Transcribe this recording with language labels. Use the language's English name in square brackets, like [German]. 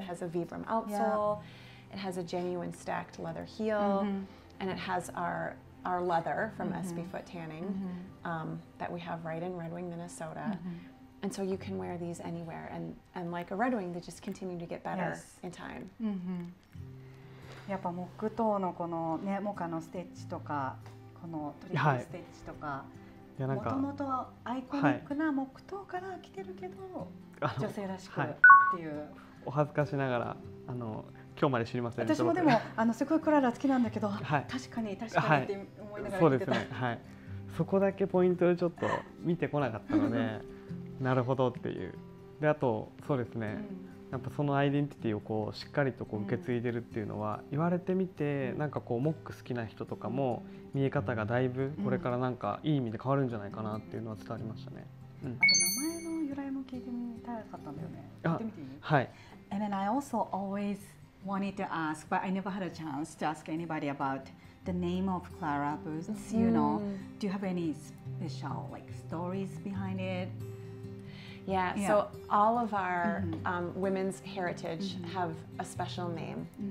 [English] It has a Vibram outsole, yeah. it has a genuine stacked leather heel, mm-hmm. and it has our leather from mm-hmm. SB Foot Tanning mm-hmm. That we have right in Red Wing, Minnesota. Mm-hmm. And so you can wear these anywhere. And like a Red Wing, they just continue to get better yes. in time. [Japanese] やっぱ木刀のこのね、モカのステッチとかこのトリプルステッチとか、はい、もともとアイコニックな木刀から来てるけど、はい、女性らしくっていう、はい、お恥ずかしながらあの今日まで知りません、ね、私もでもあのすごいクララ好きなんだけど、はい、確かにって思いながら言ってた、はい、そうですね、はい、そこだけポイントでちょっと見てこなかったのでなるほどっていうであとそうですね、うんやっぱそのアイデンティティをこうしっかりとこう受け継いでるっていうのは、言われてみてなんかこうモック好きな人とかも見え方がだいぶこれからなんかいい意味で変わるんじゃないかなっていうのは伝わりましたね、うん、あと名前の由来も聞いてみたかったんだよね。聞いてみていい？はい。 [English] And then I also always wanted to ask but I never had a chance to ask anybody about the name of Clara Boots, you know, do you have any special like stories behind it? Yeah, yeah, so all of our women's heritage have a special name.